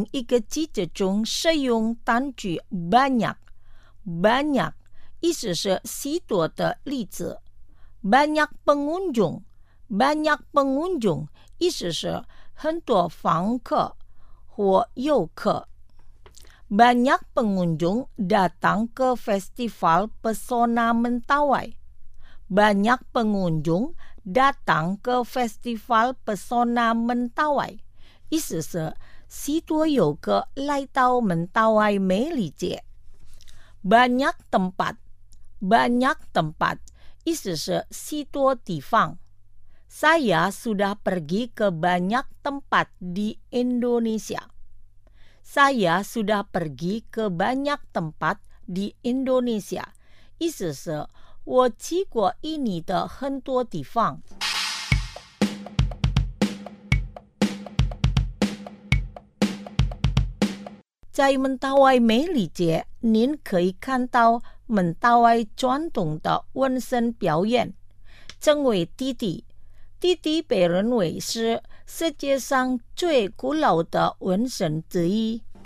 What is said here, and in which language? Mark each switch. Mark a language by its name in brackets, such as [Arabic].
[Chinese] 收听在另一个句子中使用单句 [Indonesian] banyak, banyak. [Chinese] 意思是许多的例子. [Indonesian] Banyak pengunjung, banyak pengunjung. [Chinese] 意思是很多访客或游客. [Indonesian] Banyak pengunjung datang ke festival Pesona Mentawai. Banyak pengunjung datang ke festival Pesona Mentawai. [Chinese] 意思是许多游客来到Mentawai美丽节. [Indonesian] Banyak tempat, banyak tempat. [Chinese] 意思是许多地方. [Indonesian] Saya sudah pergi ke banyak tempat di Indonesia. Saya sudah pergi ke banyak tempat di Indonesia. [Chinese] 意思是我去过印尼的很多地方. 在Mentawai美丽节, 您可以看到 Mentawai传统的温身表演, 称为弟弟。弟弟被认为是世界上最古老的温身之一。